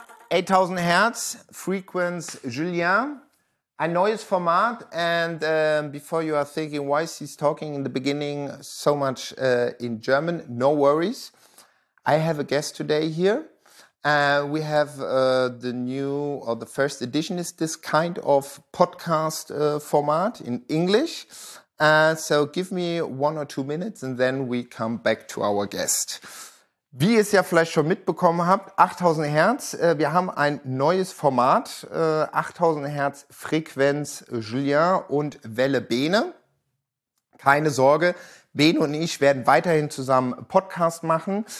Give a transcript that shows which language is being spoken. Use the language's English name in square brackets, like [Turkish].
[German] 8000 Hertz, Frequenz Julien, ein neues Format. [English] And before you are thinking, why is he talking in the beginning so much in German? No worries. I have a guest today here. We have the new or the first edition is this kind of podcast format in English. So give me 1 or 2 minutes and then we come back to our guest. [German] Wie ihr es ja vielleicht schon mitbekommen habt, 8000 Hertz, wir haben ein neues Format, 8000 Hertz Frequenz Julien und Welle Bene. Keine Sorge, Bene und ich werden weiterhin zusammen Podcast machen.